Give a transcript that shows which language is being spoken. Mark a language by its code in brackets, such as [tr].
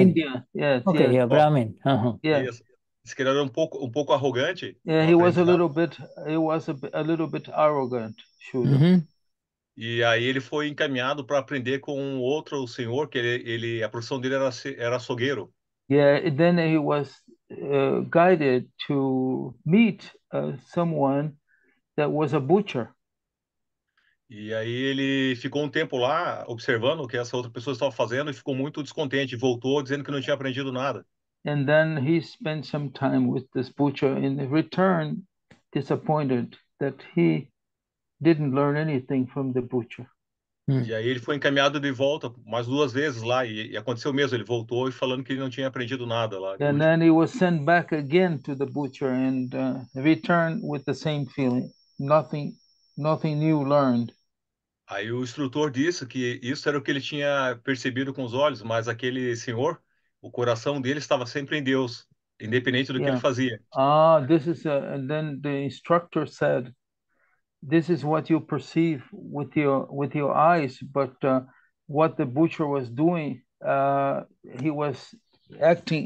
[en] India, yes, Ok, yes, yeah, Brahmin. [pt] yeah, diz que ele era um pouco arrogante, um aprendizado. [en] little bit, he was a little bit arrogant, Shuda. [pt] E aí ele foi encaminhado para aprender com um outro senhor, que ele a profissão dele era açougueiro. [en] Yeah, then he was guided to meet someone that was a butcher. [pt] E aí ele ficou um tempo lá observando o que essa outra pessoa estava fazendo e ficou muito descontente e voltou dizendo que não tinha aprendido nada. [en] And then he spent some time with this butcher in return, disappointed that he didn't learn anything from the butcher. [pt] E aí ele foi encaminhado de volta mais duas vezes lá e aconteceu mesmo, ele voltou e falando que ele não tinha aprendido nada lá de [en] And [pt] último. [en] then he was sent back again to the butcher and returned with the same feeling. Nothing new learned. [pt] Aí o instrutor disse que isso era o que ele tinha percebido com os olhos, mas aquele senhor, o coração dele estava sempre em Deus, independente do que ele fazia. [en] This is and then the instructor said, "This is what you perceive with your eyes, but what the butcher was doing, he was acting